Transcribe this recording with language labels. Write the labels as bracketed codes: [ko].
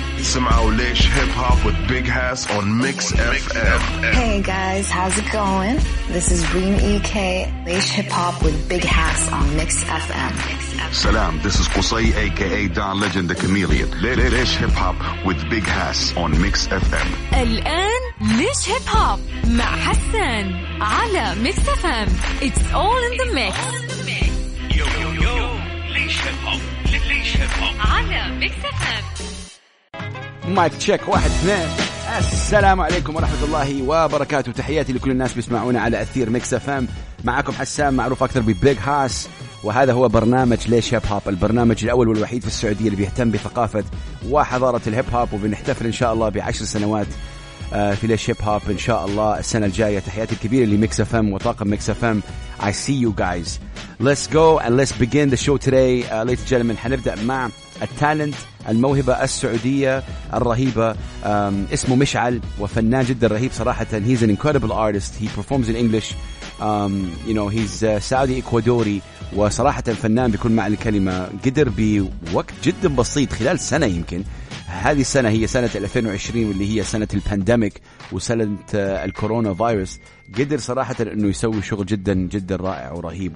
[en] Samao Laish Hip Hop with Big Hoss on Mix FM. Hey guys, how's it going? This is Reem EK, Laish Hip Hop with Big Hoss on Mix FM. Salam, this is Qusay, a.k.a. Don Legend, the Chameleon. Laish Hip Hop with Big Hoss on Mix FM. [ar] الآن ليش هيب هوب مع حسن على Mix FM. [en] It's all in the mix. Yo, yo, yo, ليش hip hop [ar] على Mix FM. [en] Mic check 1-2. [ar] السلام عليكم ورحمة الله وبركاته. تحياتي لكل الناس بيسمعونا على أثير ميكس أف أم. معكم حسام معروف أكثر ببيج هاس, وهذا هو برنامج ليش هيب هوب, البرنامج الأول والوحيد في السعودية اللي بيهتم بثقافة وحضارة الهيب هوب. وبنحتفل إن شاء الله بعشر سنوات في ليش هيب هوب إن شاء الله السنة الجاية. تحياتي الكبيرة لميكس أف أم وطاقم ميكس أف أم. [en] I see you guys. Let's go and let's begin the show today. Ladies and gentlemen, [ar] حنبدأ مع التالنت, الموهبة السعودية الرهيبة, اسمه مشعل, وفنان جدا رهيب صراحة. [en] He's an incredible artist. He performs in English. You know, he's Saudi Ecuadori. [ar] وصراحة فنان بكل معنى الكلمة. قدر بوقت جدا بسيط, خلال سنة يمكن, هذه السنة هي سنة 2020 واللي هي سنة البانديميك وسنة الكورونا فيروس, قدر صراحة أنه يسوي شغل جدا جدا رائع ورهيب.